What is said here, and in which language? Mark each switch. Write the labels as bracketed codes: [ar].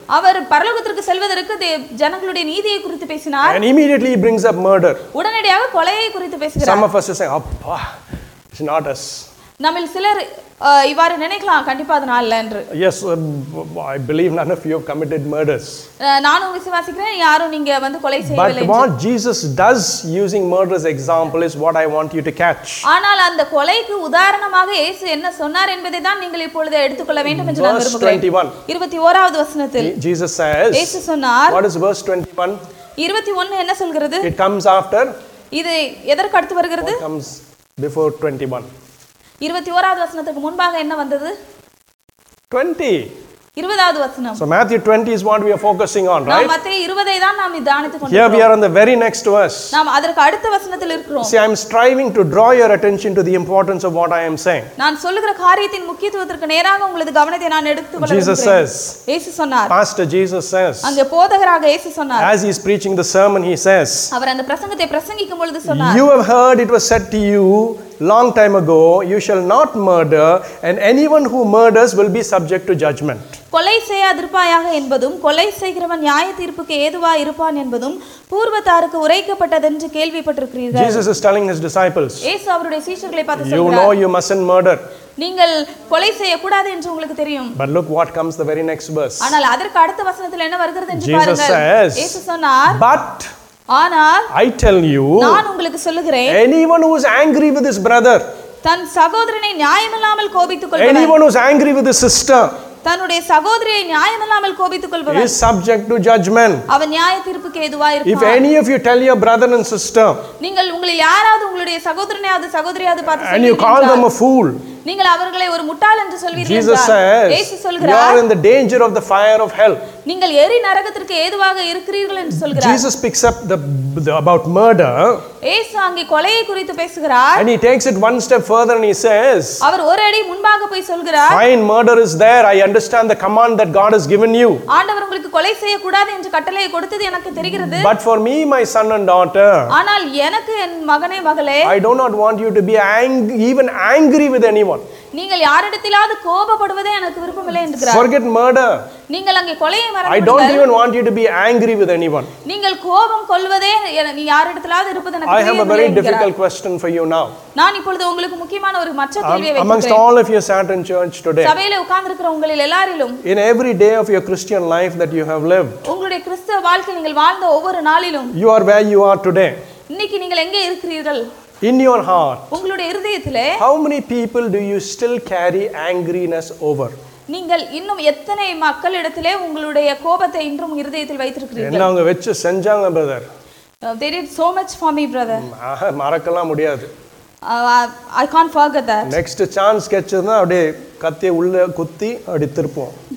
[ta] அவர் பரலோகத்திற்கு செல்வதற்கு ஜனங்களுடைய நீதியை குறித்து பேசினார். [en] And immediately he brings up murder. [ta] உடனடியாக கொலையை குறித்து பேசுகிறார். [en] Some of us are saying, "அப்பா, it's not us." [ta] நம்மில் சிலர் இவ்வாறு நினைக்கலாம் கண்டிப்பா அது நான் இல்ல என்று. [en] Yes, I believe none of you have committed murders. [ta] நானும் விசுவாசிக்கிறேன் யாரும் நீங்க வந்து கொலை செய்யவில்லை என்று. [en] But what Jesus does using murders example is what I want you to catch. [ta] ஆனால் அந்த கொலைக்கு உதாரணமாக இயேசு என்ன சொன்னார் என்பதை தான் நீங்கள் இப்பொழுது எடுத்துக்கொள்ள வேண்டும் என்று நான் விரும்புகிறேன். 21வது வசனத்தில் [en] Jesus says. [ta] இயேசு சொன்னார். [en] What is verse 21? [ta] 21 என்ன சொல்கிறது? [en] It comes after. [ta] இது எதற்கு அடுத்து வருகிறது? [en] It comes before 21. [ta] 21வது வசனத்துக்கு முன்பாக என்ன வந்தது [en] 20 [ta] 20வது வசனம் [en] So Matthew 20 is what we are focusing on right [ta] நாம் மத்தேயு 20 தான் நாம் தியானித்துக் கொண்டிருக்கிறோம் [en] Here we are on the very next verse [ta] நாம் அதற்கு அடுத்த வசனத்தில் இருக்கிறோம் [en] See I am striving to draw your attention to the importance of what I am saying [ta] நான் சொல்லுகிற காரியத்தின் முக்கியத்துவத்திற்கு நேராக உங்களது கவனத்தை நான் எடுத்துக்கொள்ள விரும்புகிறேன் இயேசு சொன்னார் [en] Pastor Jesus says [ta] அந்த போதகராக இயேசு சொன்னார் [en] As he is preaching the sermon he says [ta] அவர் அந்த பிரசங்கத்தை பிரசங்கிக்கும் பொழுது சொன்னார் [en] You have heard it was said to you Long time ago, you shall not murder, and anyone who murders will be subject to judgment. [ta] கொலை செய்யாதிருப்பாயாக என்பதும் கொலை செய்கிறவன் நியாய தீர்ப்புக்கு ஏதுவா இருப்பான் என்பதும் பூர்வத்தாருக்கு உரைக்கப்பட்டதென்று கேள்விப்பட்டிருக்கிறீர்கள். [en] Jesus is telling his disciples. [ta] இயேசு அவருடைய சீஷர்களை பார்த்து சொல்கிறார். [en] You know you mustn't murder. [ta] நீங்கள் கொலை செய்ய கூடாது என்று உங்களுக்கு தெரியும். [en] But look what comes the very next verse. [ta] ஆனால் அதற்கு அடுத்த வசனத்தில் என்ன வருகிறது என்று [en] Jesus [ta] பாருங்கள். [en] Jesus says. [ta] இயேசு சொன்னார். [en] But [ta] ஆனால் [en] I tell you [ta] நான் உங்களுக்கு சொல்கிறேன் [en] anyone who is angry with his brother [ta] தன் சகோதரனை நியாயமில்லாமல் கோபித்துக் கொள்பவன் [en] anyone who is angry with his sister [ta] தன்னுடைய சகோதரியை நியாயமில்லாமல் கோபித்துக் கொள்பவன் [en] is subject to judgment [ta] அவன் நியாய தீர்ப்புக்கு ஏதுவா இருப்பான் [en] if any of you tell your brother and sister [ta] நீங்கள் உங்களை யாராவது உங்களுடைய சகோதரனையாவது சகோதரியாவது பார்த்து [en] and you call them a fool [ta] நீங்கள் அவர்களை ஒரு முட்டாள் என்று சொல்வீர்கள் [en] Jesus says இயேசு [ta] சொல்கிறார் [en] you are in the danger of the fire of hell [ta] நீங்கள் எரி நரகத்திற்கு ஏதுவாக இருக்கிறீர்கள் என்று சொல்கிறார் [en] Jesus picks up the about murder [ta] இயேசு அங்கே கொலையை குறித்து பேசுகிறார் [en] and he takes it one step further and he says [ta] அவர் ஒரு அடி முன்பாக போய் சொல்கிறார் [en] fine murder is there I understand the command that God has given you [ta] ஆண்டவர் உங்களுக்கு கொலை செய்ய கூடாது என்று கட்டளையை கொடுத்தது எனக்கு தெரிகிறது [en] but for me my son and daughter [ta] ஆனால் எனக்கு என் மகனே மகளே [en] I do not want you to be even angry with any [ta] நீங்கள் யாரிடத்திலாவது கோபப்படுவதே எனக்கு விருப்பமில்லை என்கிறார் [en] Forget murder. [ta] நீங்கள் அங்கே கொலையை மறந்து [en] I don't even want you to be angry with anyone. [ta] நீங்கள் கோபம் கொள்வதே நீ யாரிடத்திலாவது இருப்பது எனக்கு தெரியும். [en] I have a very difficult question for you now. [ta] நான் இப்பொழுது உங்களுக்கு முக்கியமான ஒரு மற்ற கேள்வியை வைக்கிறேன். [en] Amongst all of you sat in church today. [ta] சபையிலே உட்கார்ந்திருக்கிற உங்களில் எல்லாரிலும் [en] In every day of your Christian life that you have lived. [ta] உங்களுடைய கிறிஸ்தவ வாழ்க்கையில் நீங்கள் வாழ்ந்த ஒவ்வொரு நாளிலும் [en] You are where you are today. [ta] இன்னைக்கு நீங்கள் எங்கே இருக்கிறீர்கள்? [en] In your heart, [ta] உங்களுடைய இதயத்திலே [en] how many people do you still carry angriness over? [ta] நீங்கள் இன்னும் எத்தனை மக்களிடத்திலே உங்களுடைய கோபத்தை இன்றும் இதயத்தில் வைத்திருக்கிறீர்கள்? என்ன அங்க வெச்சு செஞ்சாங்க brother? [en] They did so much for me brother. [ta] மறக்கலாம் முடியாது. [en] I can't forget that. Next chance [ta] கிடைச்சதா அப்படியே கத்தியை உள்ள குத்தி அடி திருப்போம்.